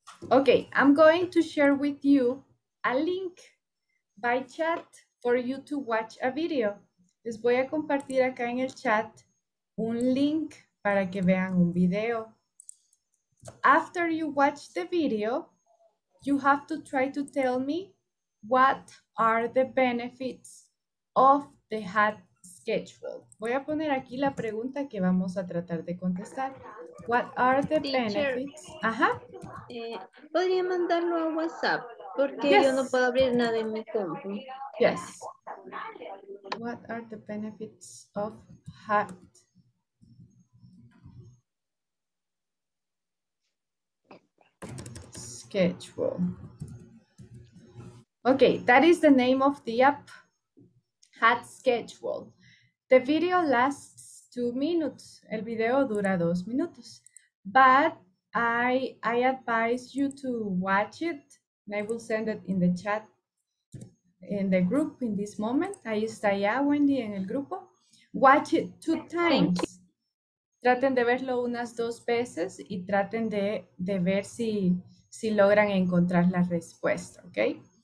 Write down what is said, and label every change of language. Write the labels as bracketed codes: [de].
[en] Okay, I'm going to share with you a link by chat for you to watch a video. [es] Les voy a compartir acá en el chat un link para que vean un video. [en] After you watch the video, you have to try to tell me what are the benefits of the HAT schedule. [es] Voy a poner aquí la pregunta que vamos a tratar de contestar. [en] What are the teacher, benefits? [es] Podría mandarlo a WhatsApp porque yes. Yo no puedo abrir nada en mi computadora. [en] Yes. What are the benefits of HAT? Schedule. Okay, that is the name of the app, HAT Schedule. The video lasts 2 minutes. [es] El video dura 2 minutos. [en] But I advise you to watch it. And I will send it in the chat, in the group in this moment. [es] Ahí está ya, Wendy, en el grupo. [en] Watch it 2 times. [es] Traten de verlo unas 2 veces y traten de ver si logran encontrar la respuesta, okay?